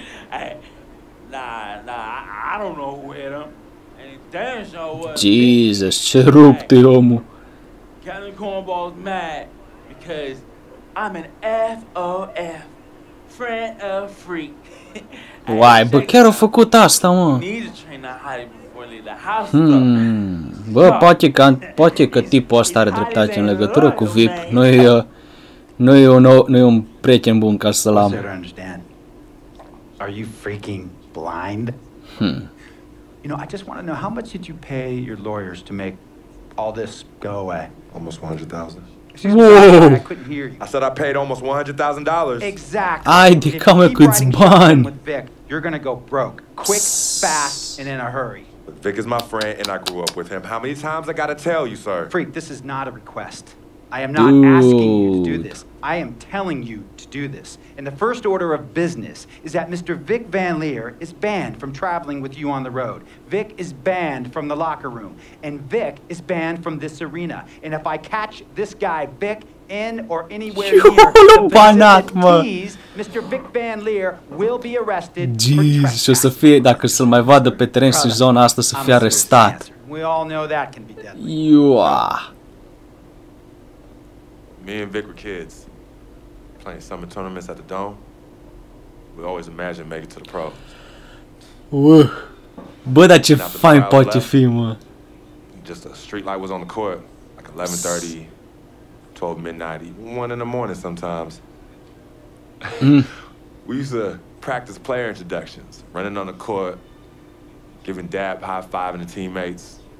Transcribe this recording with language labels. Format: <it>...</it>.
<en>I don't know who hit him. And he damn sure was. Jesus, cherubti omu. Captain Cornball's mad because I'm an FOF, friend of freak. Why, but</en> <ro>chiar a făcut asta, mă?</ro> <en>Need to train that hiding before leave the house.</en> <ro>Bă, poate că tipul ăsta are dreptate în legătură cu VIP. Nu e un prieten bun ca să-l am.</ro> <en>Are you freaking blind? You know, I just want to know, how much did you pay your lawyers to make all this go away? Almost $100,000. Whoa. I couldn't hear you. I said I paid almost $100,000. Exactly. I did come with Bon. With Vic, you're going to go broke. Quick, fast, and in a hurry. But Vic is my friend, and I grew up with him. How many times I got to tell you, sir? Freak, this is not a request. I am not asking you to do this. I am telling you to do this. And the first order of business is that Mr. Vic Van Leer is banned from traveling with you on the road. Vic is banned from the locker room. And Vic is banned from this arena. And if I catch this guy, Vic, in or anywhere here, why not, man? Mr. Vic Van Leer will be arrested.</en> <ro>Jeez, și o să fie, dacă să-l mai vadă pe teren și zona asta, să fie arestat.</ro> <en>We all know that can be deadly. You are. Me and Vic were kids, playing summer tournaments at the Dome. We always imagined making it to the pro.</en> <ro>Bă, dar ce fain poate fi, mă.</ro> <en>Just a street light was on the court, like 11:30, 12 midnight, even 1 in the morning sometimes. We used to practice player introductions, running on the court, giving dab high-fiving the teammates.</en>